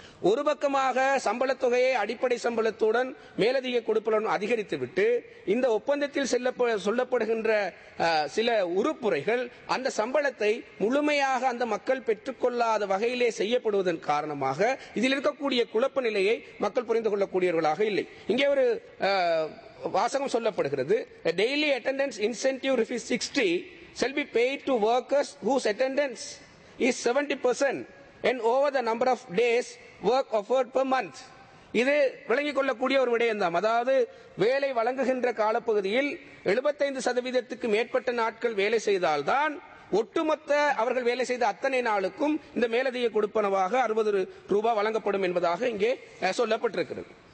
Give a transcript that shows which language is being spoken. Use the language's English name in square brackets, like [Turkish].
[Tamil] ஒரு பக்கமாக சம்பளத்தொகையை அடிப்படை சம்பளத்துடன் மேலதிக கொடுப்பலன் அதிகரித்துவிட்டு இந்த ஒப்பந்தத்தில் சொல்லப்படுகின்ற சில உறுப்புரைகள் அந்த சம்பளத்தை முழுமையாக அந்த மக்கள் பெற்றுக்கொள்ளாத வகையிலே செய்யப்படுவதன் காரணமாக இதில் இருக்கக்கூடிய குழப்ப நிலையை மக்கள் புரிந்து கொள்ளக்கூடியவர்களாக இல்லை. இங்கே ஒரு வாசகம் சொல்லப்படுகிறது, [English] Daily attendance incentive rupees 60 shall be paid to workers whose attendance is 70% and over the number of days work offered per month. [Tamil] இது விளங்கிக் கொள்ளக்கூடிய ஒரு விடயம்தான். அதாவது வேலை வழங்குகின்ற காலப்பகுதியில் 75% மேற்பட்ட நாட்கள் வேலை செய்தால்தான் ஒட்டுமொத்த அவர்கள் வேலை செய்த அத்தனை நாளுக்கும் இந்த மேலதிக கொடுப்பனவாக 60 ரூபாய் வழங்கப்படும் என்பதாக இங்கே சொல்லப்பட்டிருக்கிறது.